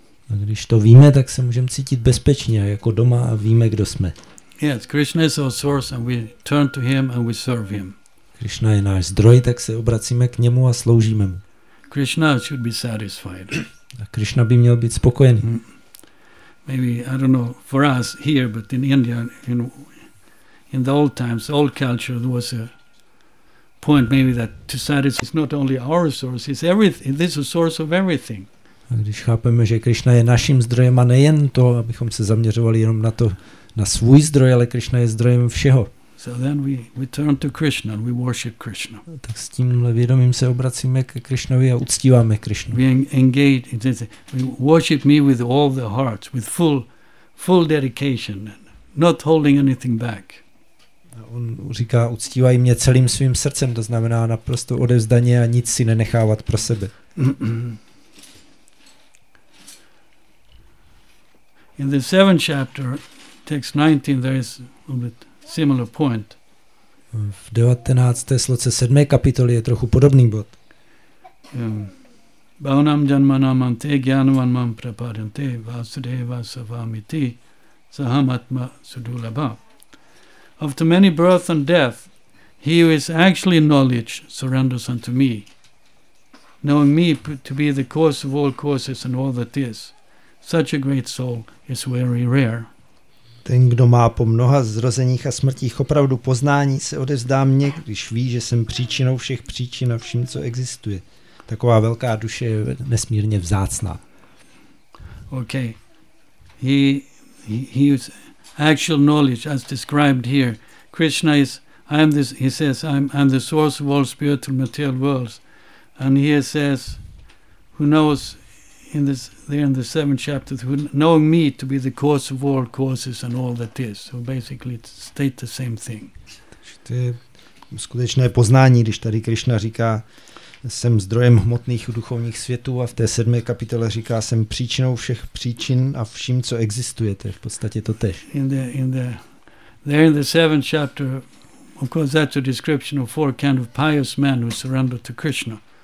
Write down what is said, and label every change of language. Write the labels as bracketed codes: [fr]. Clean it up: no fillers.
[cs] A když to víme, tak se můžeme cítit bezpečně jako doma a víme, kdo jsme. [en] Yes, Krishna is our source and we turn to him and we serve him. [cs] Krishna je náš zdroj, tak se obracíme k němu a sloužíme mu. [en] Krishna should be satisfied. [cs] A Krishna by měl být spokojený. [en] Maybe I don't know for us here, but in India, in the old times, old culture, there was a point maybe that to satisfy is not only our source, it's everything. This is a source of everything. [cs] A když chápeme, že Krishna je naším zdrojem a nejen to, abychom se zaměřovali jenom na to, na svůj zdroj, ale Krishna je zdrojem všeho. [en] So then we turn to Krishna and we worship Krishna. [cs] Tak s tímhle vědomím se obracíme ke Krishnovi a uctíváme Krishnu. [en] We engage, we worship me with all the heart, with full dedication, not holding anything back. [cs] A on říká, uctívají mě celým svým srdcem, to znamená naprosto odevzdaně a nic si nenechávat pro sebe. [en] In the seventh chapter, text 19, there is a bit similar point. [cs] V 19. sloce 7. kapitoly je trochu podobný bod. [sa] Bhavanam janmanam ante gyanavanmam prapadante vasudeva savamiti sahamatma sudulabha. [en] After many birth and death, he who is actually knowledge surrenders unto me, knowing me to be the cause of all causes and all that is. Such a great soul is very rare. [cs] Ten, kdo má po mnoha zrozeních a smrtích opravdu poznání, se odevzdá mně, když ví, že jsem příčinou všech příčin a vším, co existuje. Taková velká duše je nesmírně vzácná. [en] Okay. He is actual knowledge as described here. Krishna is I'm the source of all spiritual material worlds. And he says who knows in the seventh chapter, knowing me to be the cause of all causes and all that is. So basically, it states the same thing. [cs] To je skutečné poznání, když tady Krishna říká, jsem zdrojem hmotných duchovních světů a v té sedmé kapitole říká, jsem příčinou všech příčin a vším, co existuje. To je v podstatě to tež. [en] In the seventh chapter, of course, that's a description of four kind of pious men who surrender to Krishna.